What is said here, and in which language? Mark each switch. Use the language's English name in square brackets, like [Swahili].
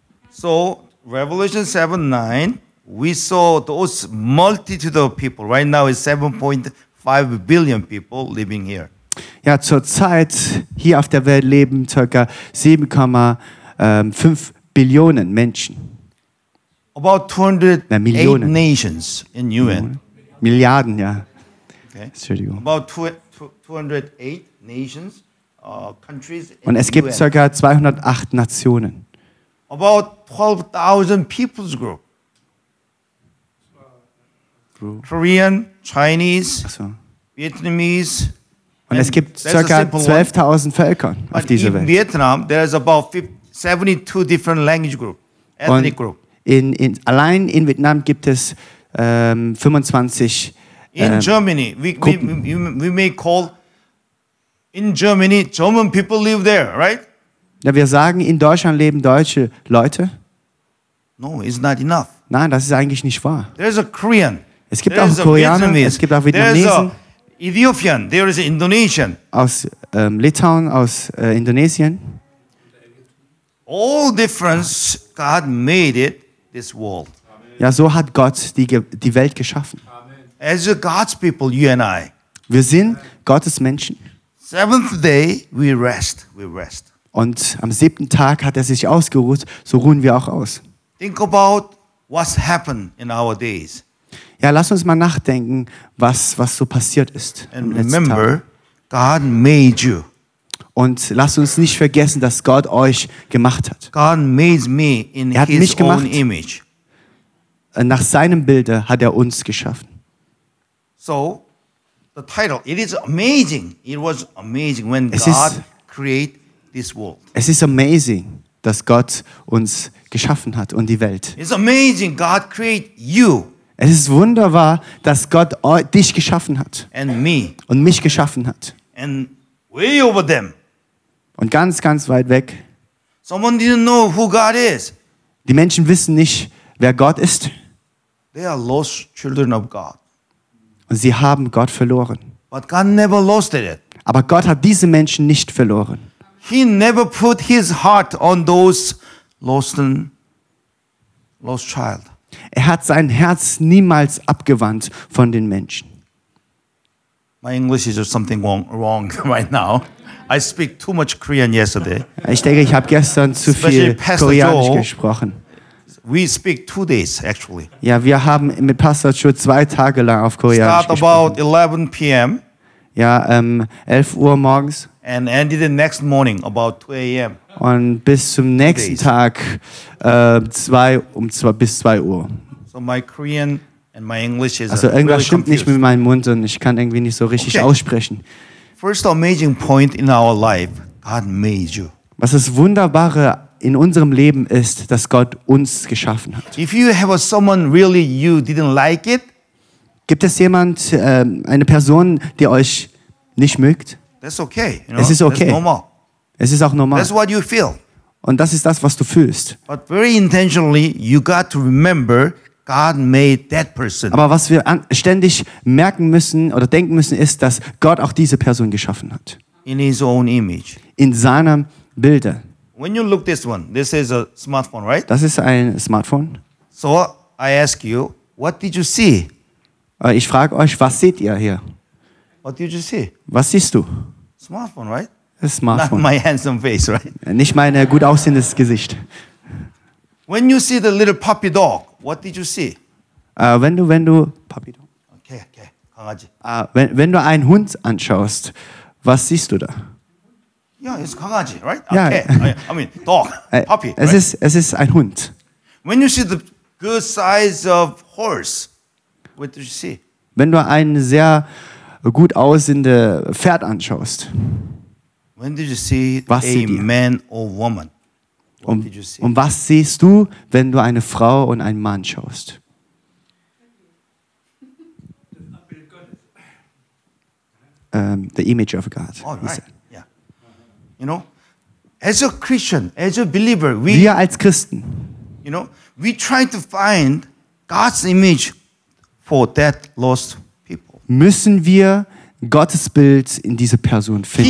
[English] So, Revelation 7:9, we saw those multitude of people. Right now it's 7.5 billion people living here. [German] Ja, zurzeit hier auf der Welt leben ca. 7,5 Billionen Menschen. [English] About 208 [German] Millionen. [English] Nations in UN. [German] Milliarden, ja. Okay. Entschuldigung. [English] About 208 nations, countries in [German] und es gibt [English] UN. [German] Ca. 208 Nationen. [English] About 12,000 people's group. Korean, Chinese, so. Vietnamese. [German] Und es gibt ca. 12.000 Völker auf dieser Welt. [English] In Vietnam, there is about 72 different language group, ethnic group. [German] In allein in Vietnam gibt es 25 [English] In Germany, we may call in Germany, German people live there, right? [German] Ja, wir sagen, in Deutschland leben deutsche Leute. [English] No, it's not enough. [German] Nein, das ist eigentlich nicht wahr. [English] There is a Korean. [German] Es gibt auch Koreaner, es gibt auch Vietnamesen. [English] Ethiopian, there is Indonesian. [German] Aus Litauen, aus Indonesien. [English] All difference God made it this world. [German] Ja, so hat Gott die Welt geschaffen. [English] As God's people, you and I. [German] Wir sind Gottes Menschen. [English] Seventh day, we rest. We rest. [German] Und am siebten Tag hat sich ausgeruht, so ruhen wir auch aus. [English] Think about what's happened in our days. [German] Ja, lass uns mal nachdenken, was so passiert ist. [English] And remember, God made you. [German] Und lass uns nicht vergessen, dass Gott euch gemacht hat. [English] God made me in [German] er hat [English] his [German] mich gemacht. [English] Own image. [German] Nach seinem Bilde hat er uns geschaffen. [English] So, the title, it is amazing. It was amazing when es God ist, created this world. [German] Es ist amazing, dass Gott uns geschaffen hat und die Welt. [English] It's amazing God created you. [German] Es ist wunderbar, dass Gott dich geschaffen hat. [English] And me. [German] Und mich geschaffen hat. [English] And way over them. [German] Und ganz, ganz weit weg. [English] Someone didn't know who God is. [German] Die Menschen wissen nicht, wer Gott ist. [English] They are lost children of God. [German] Und sie haben Gott verloren. [English] But God never lost it. [German] Aber Gott hat diese Menschen nicht verloren. [English] He never put his heart on those lost child. [German] Er hat sein Herz niemals abgewandt von den Menschen. [English] My English is something wrong right now. I speak too much Korean yesterday. [German] Ich denke, ich habe gestern zu viel Koreanisch gesprochen. [English] We speak 2 days actually. [German] Ja, wir haben mit Pastor Joe 2 Tage lang auf Koreanisch gesprochen. [English] Start about 11 p.m. [German] Ja, 11 Uhr morgens. [English] And ended the next morning about 2 a.m. [German] Und bis zum nächsten Tag bis 2 Uhr. [English] So my Korean and my English is [German] also irgendwas [English] really confused. [German] Nicht mit meinem Mund und ich kann irgendwie nicht so richtig okay. aussprechen. [English] First amazing point in our life, God made you. [German] Was das Wunderbare in unserem Leben ist, dass Gott uns geschaffen hat. [English] If you have someone really you didn't like it, [German] gibt es jemand eine Person, die euch nicht mögt? [English] That's okay. You know? [German] Es ist okay. [English] That's normal. [German] Es ist auch normal. [English] That's what you feel. [German] Und das ist das, was du fühlst. [English] But very intentionally, you got to remember God made that person. [German] Aber was wir ständig merken müssen oder denken müssen, ist, dass Gott auch diese Person geschaffen hat. [English] In his own image. [German] In seinem Bilde. [English] When you look this one, this is a smartphone, right? [German] Das ist ein Smartphone. [English] So I ask you, what did you see? [German] Ich frage euch, was seht ihr hier? [English] What did you see? [German] Was siehst du? [English] Smartphone, right? [German] Das Smartphone. [English] Not my handsome face, right? [German] Nicht mein gut aussehendes Gesicht. [English] When you see the little puppy dog, what did you see? [German] Wenn du [English] puppy dog. Okay. Kangaji. [German] Wenn du einen Hund anschaust, was siehst du da? Ja, es ist Kangaji, right? Ja. [English] Okay. I mean, dog, puppy. [German] Es ist ein Hund. [English] When you see the good size of horse, what did you see? [German] Wenn du ein sehr gut aussehendes Pferd anschaust. [English] When did you see was a man or woman? [German] Und was siehst du, wenn du eine Frau und einen Mann schaust? [English] The image of God. Oh, right. You know, as a Christian, as a believer, [German] wir als Christen, [English] you know, we try to find God's image for that lost people. [German] Müssen wir Gottes Bild in diese Person finden?